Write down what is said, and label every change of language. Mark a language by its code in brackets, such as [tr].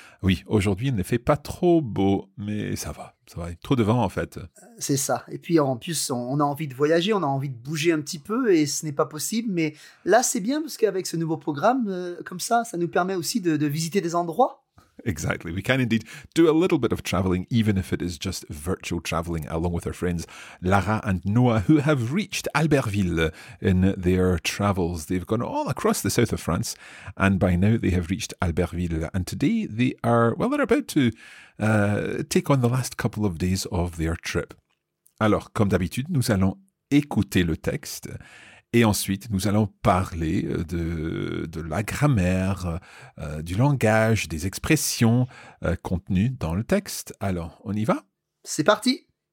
[fr] Oui, aujourd'hui, il ne fait pas trop beau, mais ça va, trop de vent en fait. C'est ça, et puis en plus, on a envie de voyager, on a envie de bouger un petit peu, et ce n'est pas possible, mais là, c'est bien, parce qu'avec ce nouveau programme, comme ça, ça nous permet aussi de visiter des endroits. [en] Exactly. We can indeed do a little bit of traveling, even if it is just virtual traveling, along with our friends Lara and Noah, who have reached Albertville in their travels. They've gone all across the south of France, and by now they have reached Albertville. And today they are, well, they're about to take on the last couple of days of their trip. [fr] Alors, comme d'habitude, nous allons écouter le texte. Et ensuite, nous allons parler de la grammaire, du langage, des expressions contenues dans le texte. Alors, on y va? C'est parti!